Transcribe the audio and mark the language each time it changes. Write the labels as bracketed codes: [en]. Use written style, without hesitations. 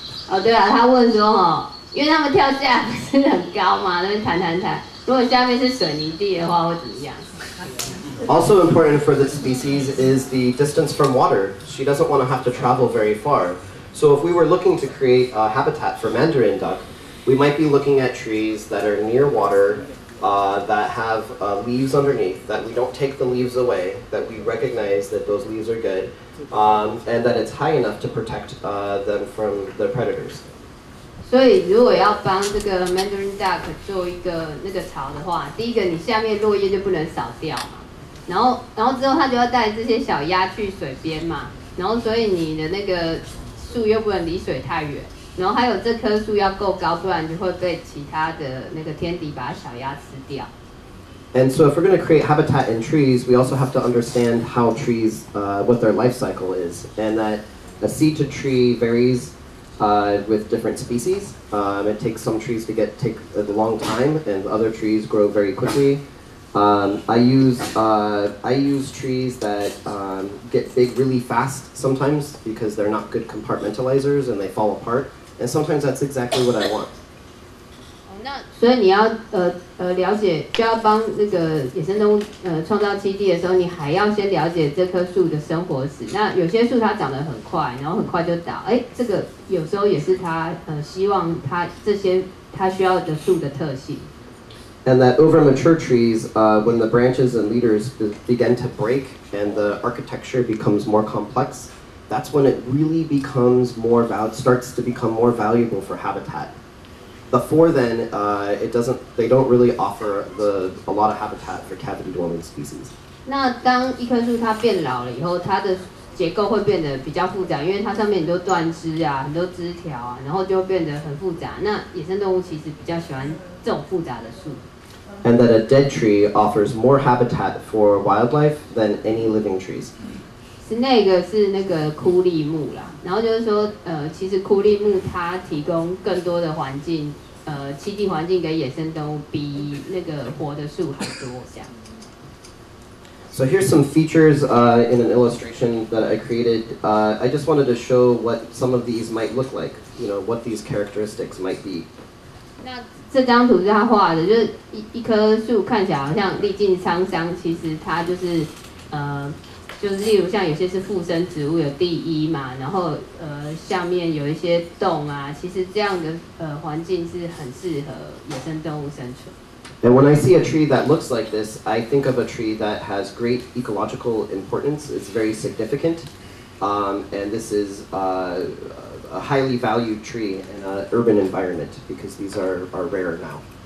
[zh] 哦，对啊，他问说哦，因为他们跳下不是很高嘛，那边弹，如果下面是水泥地的话，会怎么样？ [en] Also important for this species is the distance from water. She doesn't want to have to travel very far. So if we were looking to create a habitat for mandarin duck, we might be looking at trees that are near water. That have leaves underneath, that we don't take the leaves away, that we recognize that those leaves are good, and that it's high enough to protect them from the predators. So if you want to help this mandarin duck to make a nest, first, you can't remove the leaves from the bottom. Then, it has to take these small birds to the water. Then, so your tree can't be too far from the water. [zh] 然后还有这棵树要够高，不然就会被其他的那个天敌把小鸭吃掉。 [en] And so if we're going to create habitat in trees, we also have to understand how trees, what their life cycle is, and that a seed to tree varies with different species. It takes some trees to take a long time, and other trees grow very quickly. I use trees that get big really fast sometimes because they're not good compartmentalizers and they fall apart. And sometimes that's exactly what I want. [zh] 那所以你要了解，就要帮那个野生动物创造栖地的时候，你还要先了解这棵树的生活史。那有些树它长得很快，然后很快就倒。哎，这个有时候也是它希望它这些它需要的树的特性。 [en] And that over mature trees, when the branches and leaders begin to break and the architecture becomes more complex. That's when it really becomes starts to become more valuable for habitat. Before then, they don't really offer a lot of habitat for cavity-dwelling species. [zh] 那当一棵树它变老了以后，它的结构会变得比较复杂，因为它上面很多断枝啊，很多枝条啊，然后就变得很复杂。那野生动物其实比较喜欢这种复杂的树。 [en] And that a dead tree offers more habitat for wildlife than any living trees. [zh] Snake 是那个枯立木啦，然后就是说，其实枯立木它提供更多的环境，栖地环境给野生动物比那个活的树还多，这样。 [en] So here's some features in an illustration that I created. I just wanted to show what some of these might look like. You know what these characteristics might be. [zh] 那这张图是他画的，就是一棵树看起来好像历尽沧桑，其实它就是，就是例如像有些是附生植物有地衣嘛，然后下面有一些洞啊，其实这样的环境是很适合野生动物生存。 [en] And when I see a tree that looks like this, I think of a tree that has great ecological importance. It's very significant, and this is a highly valued tree in an urban environment because these are rare now.